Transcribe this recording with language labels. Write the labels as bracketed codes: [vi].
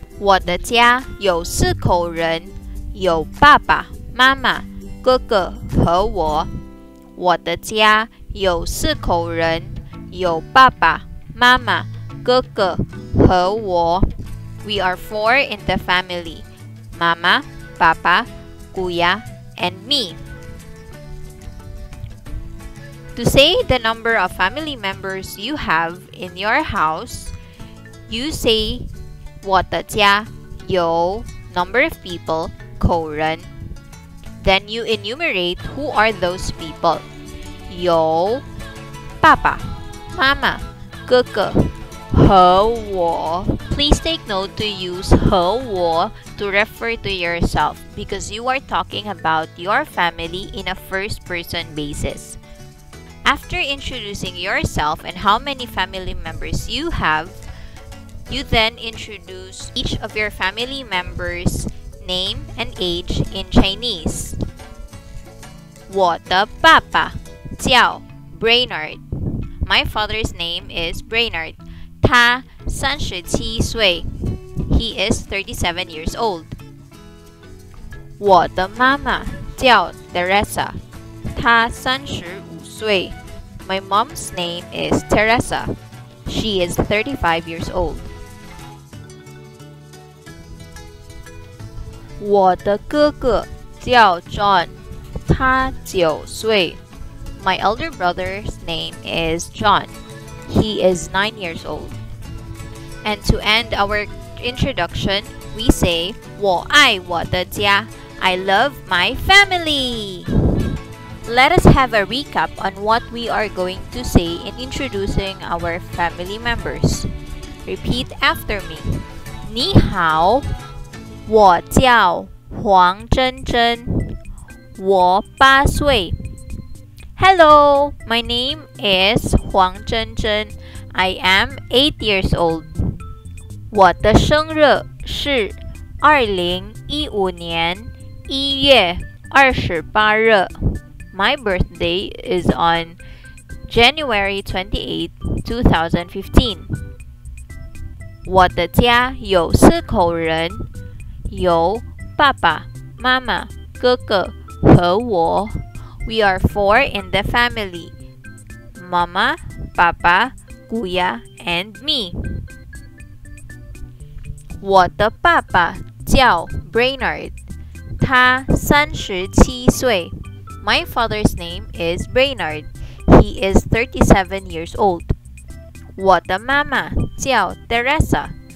[zh] 我的家有四口人，有爸爸妈妈、哥哥和我。我的家有四口人，有爸爸妈妈、哥哥和我。 [en] We are four in the family. [zh] 妈妈、爸爸、姑爷 [en] and me. To say the number of family members you have in your house, you say [zh] 我的家有 [en] number of people, [zh] 口人 [en] Then you enumerate who are those people. [zh] 有爸爸、妈妈、哥哥和我 [en] Please take note to use 和我 to refer to yourself because you are talking about your family in a first person basis. After introducing yourself and how many family members you have, you then introduce each of your family members' name and age in Chinese. [zh] 我的爸爸叫 Brainard. [en] My father's name is Brainard. [zh] 他三十七岁。 [en] He is 37 years old. [zh] 我的妈妈叫 Teresa. 她三十五岁。 [en] My mom's name is Teresa. She is 35 years old. [zh] 我的哥哥叫 John. 他九岁。 [en] My elder brother's name is John. He is 9 years old. And to end our introduction, we say, [zh] 我爱我的家。 [en] I love my family. Let us have a recap on what we are going to say in introducing our family members. Repeat after me. [zh] 你好，我叫黄珍珍，我八岁。 [en] Hello, my name is 黄珍珍。 I am 8 years old. [zh] 我的生日是2015年1月28日。 [en] My birthday is on January 28, 2015. [zh] 我的家有四口人，有爸爸妈妈、哥哥和我。 [en] We are four in the family. [zh] 妈妈、爸爸、姑爷 [en] and me. [zh] 我的爸爸叫 Brainard. 他三十七岁。 [en] My father's name is Brainard. He is 37 years old. [zh] 我的妈妈叫 Teresa.